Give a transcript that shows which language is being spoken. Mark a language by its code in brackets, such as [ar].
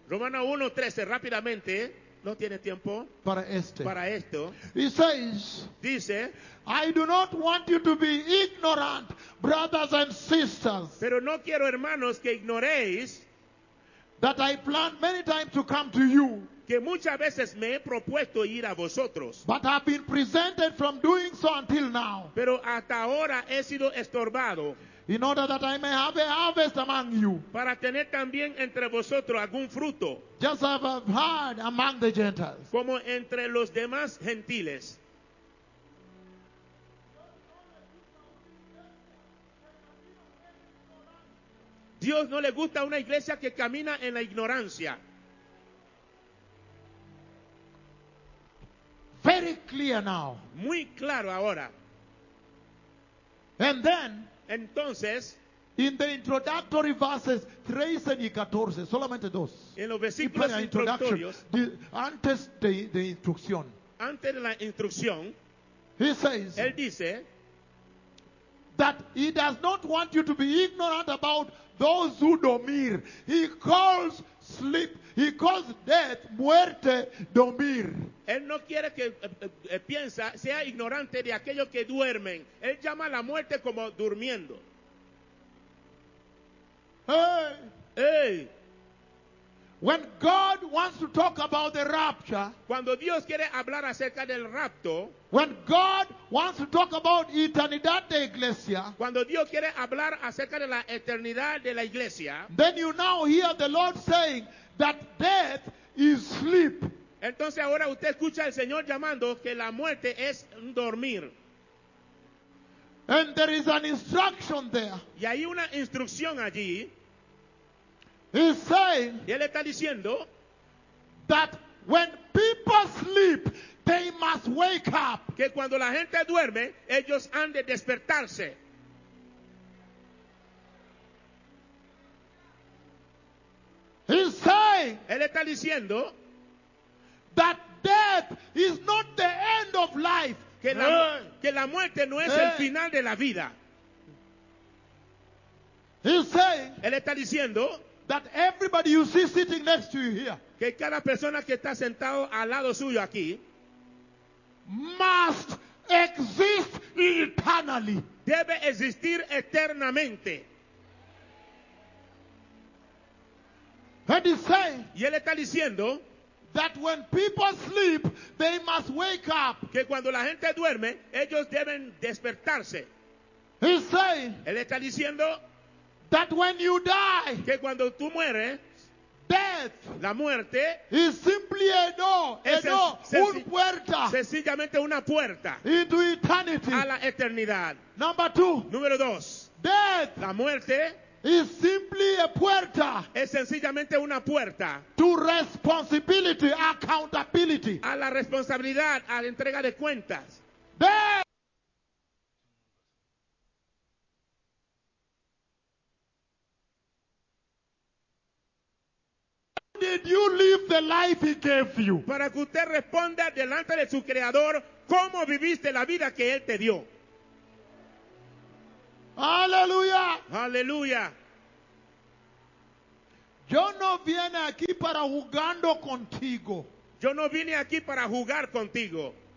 [es] Romano 1, 13, rápidamente, no tiene tiempo para este. Para esto. [en] He says, [es] dice, [en] I do not want you to be ignorant, brothers and sisters. [es] Pero no quiero, hermanos, que ignoréis [en] that I planned many times to come to you. [es] Que muchas veces me he propuesto ir a vosotros. [en] But I've been prevented from doing so until now. [es] Pero hasta ahora he sido estorbado. [en] In order that I may have a harvest among you. [es] Para tener también entre vosotros algún fruto. [en] Just as I've heard among the Gentiles. [es] Como entre los demás gentiles. Dios no le gusta una iglesia que camina en la ignorancia. [en] Very clear now. [es] Muy claro ahora. [en] And then, [es] entonces, [en] in the introductory verses 13 [es] y 14, solamente dos. En los versículos introductorios, antes de la instrucción. Antes de la instrucción, [en] he says, [es] él dice, [en] that he does not want you to be ignorant about those who [es] dormir. [en] He calls sleep. He calls death, [es] muerte, dormir. Él no quiere que piensa, sea ignorante de aquellos que duermen. Él llama la muerte como durmiendo. Hey. Hey. [en] When God wants to talk about the rapture, [es] cuando Dios quiere hablar acerca del rapto, [en] when God wants to talk about [es] eternidad de iglesia, cuando Dios quiere hablar acerca de la eternidad de la iglesia, [en] then you now hear the Lord saying that death is sleep. [es] Entonces ahora usted escucha al Señor llamando que la muerte es dormir. [en] And there is an instruction there. [es] Y hay una instrucción allí. [en] He's saying, [es] y él está diciendo, [en] that when people sleep, they must wake up. [es] Que cuando la gente duerme, ellos han de despertarse. [en] He's saying, [es] él está diciendo, [en] that death is not the end of life. [es] Que la muerte no es el final de la vida. [en] He's saying, [es] él está diciendo, [en] that everybody you see sitting next to you here, [es] que cada persona que está sentado al lado suyo aquí, [en] must exist eternally. [es] Debe existir eternamente. [en] And he's saying, [es] y él está diciendo, [en] that when people sleep, they must wake up. [es] Que cuando la gente duerme, ellos deben despertarse. [en] He's saying, [es] él está diciendo, [en] that when you die, [es] que cuando tú mueres, [en] death, [es] la muerte, [en] is simply a door, [es] una puerta, sencillamente una puerta, [en] into eternity, [es] a la eternidad. [en] Number two, [es] número dos, [en] death, [es] la muerte, [en] is simply a puerta, [es] es sencillamente una puerta, [en] to responsibility, accountability, [es] a la responsabilidad, a la entrega de cuentas. [en] Death. Did you live the life he gave you? [es] Para que usted responda delante de su creador, ¿cómo viviste la vida que él te dio? Aleluya. Aleluya. Yo no vine aquí para jugando contigo. Yo no vine aquí para jugar contigo.